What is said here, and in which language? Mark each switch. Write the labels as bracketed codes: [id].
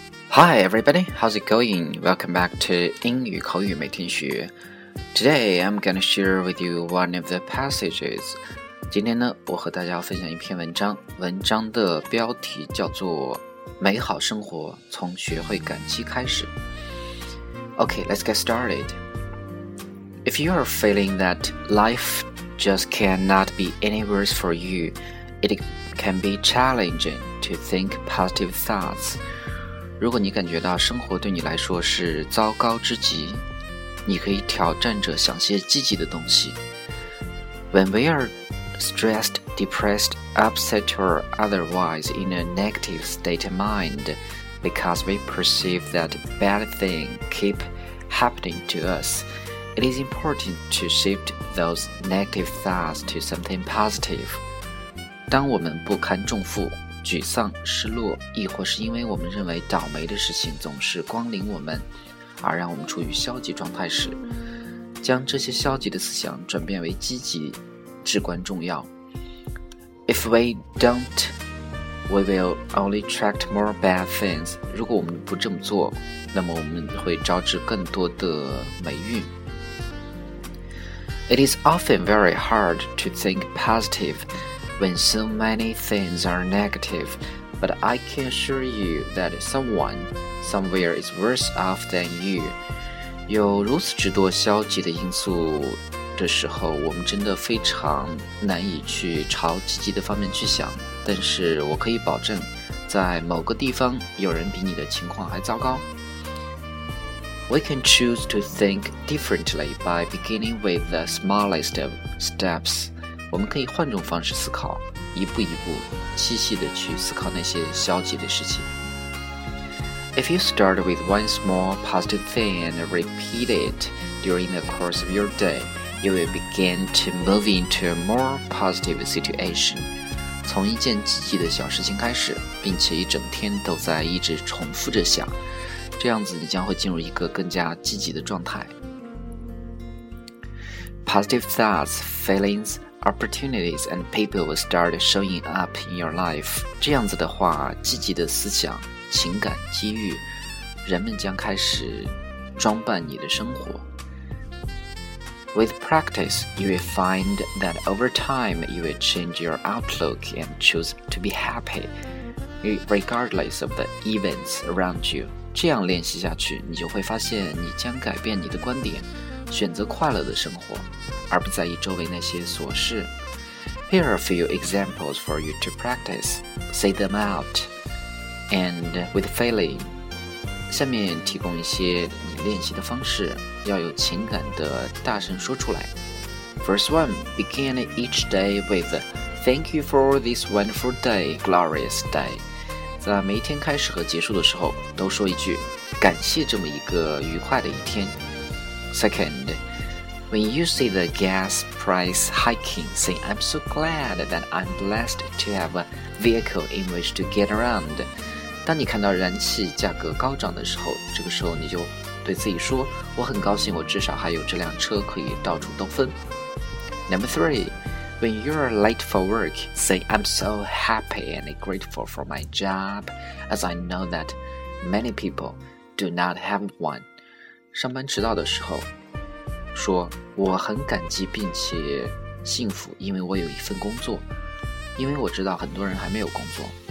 [en] Hi everybody, how's it going? Welcome back to 英语口语每天学。 Today I'm gonna share with you one of the passages. [zh] 今天呢，我和大家分享一篇文章，文章的标题叫做《美好生活从学会感激开始》。 Okay, let's get started. [en] If you are feeling that life just cannot be any worse for you, it can be challenging to think positive thoughts. [zh] 如果你感觉到生活对你来说是糟糕之极，你可以挑战着想些积极的东西。 [en] When we are stressed, depressed, upset or otherwise in a negative state of mind because we perceive that bad thing keep happening to us, it is important to shift those negative thoughts to something positive. [zh] 当我们不堪重负沮丧、失落，亦或是因为我们认为倒霉的事情总是光临我们，而让我们处于消极状态时，将这些消极的思想转变为积极，至关重要。 [en] If we don't, we will only attract more bad things. [zh] 如果我们不这么做，那么我们会招致更多的霉运。 [en] It is often very hard to think positive. When so many things are negative, but I can assure you that someone, somewhere is worse off than you. [zh] 有如此之多消极的因素的时候，我们真的非常难以去朝积极的方面去想。但是我可以保证，在某个地方，有人比你的情况还糟糕。 [en] We can choose to think differently by beginning with the smallest of steps. [zh] 我们可以换种方式思考，一步一步，细细地去思考那些消极的事情。 [en] If you start with one small positive thing and repeat it during the course of your day, you will begin to move into a more positive situation. [zh] 从一件积极的小事情开始，并且一整天都在一直重复着想，这样子你将会进入一个更加积极的状态。 [en] Positive thoughts, feelings,opportunities and people will start showing up in your life. [zh] 这样子的话，积极的思想、情感、机遇，人们将开始装扮你的生活。 [en] With practice, you will find that over time you will change your outlook and choose to be happy, regardless of the events around you. [zh] 这样练习下去，你就会发现你将改变你的观点，选择快乐的生活。而不在意周围那些琐事。 [en] Here are a few examples for you to practice. Say them out. And with feeling. [zh] 下面提供一些你练习的方式，要有情感的大声说出来。 [en] First one, begin each day with Thank you for this wonderful day, glorious day. [zh] 在每一天开始和结束的时候，都说一句，感谢这么一个愉快的一天。 [en] Second,When you see the gas price hiking, say, I'm so glad that I'm blessed to have a vehicle in which to get around. [zh] 当你看到燃气价格高涨的时候，这个时候你就对自己说，我很高兴我至少还有这辆车可以到处兜风。 [en] Number three, when you're late for work, say, I'm so happy and grateful for my job, as I know that many people do not have one. [zh] 上班迟到的时候说，我很感激并且幸福，因为我有一份工作，因为我知道很多人还没有工作。